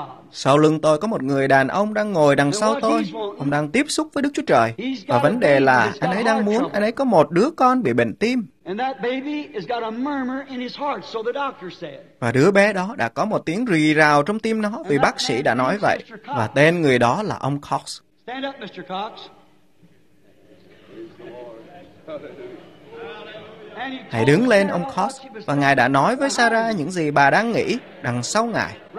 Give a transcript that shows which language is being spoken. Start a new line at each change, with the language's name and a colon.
Vietnamese: Sau lưng tôi có một người đàn ông đang ngồi đằng sau tôi. Ông đang tiếp xúc với Đức Chúa Trời. Và vấn đề là anh ấy đang muốn, anh ấy có một đứa con bị bệnh tim.
English: And that baby has got a murmur in his heart, so the doctor said.
Vietnamese: Và đứa bé đó đã có một tiếng rì rào trong tim nó vì bác sĩ đã nói vậy. Và tên người đó là ông Cox.
English: Stand up, Mr. Cox.
Vietnamese: Hãy đứng lên, ông Cox. Và ngài đã nói với Sarah những gì bà đang nghĩ đằng sau ngài.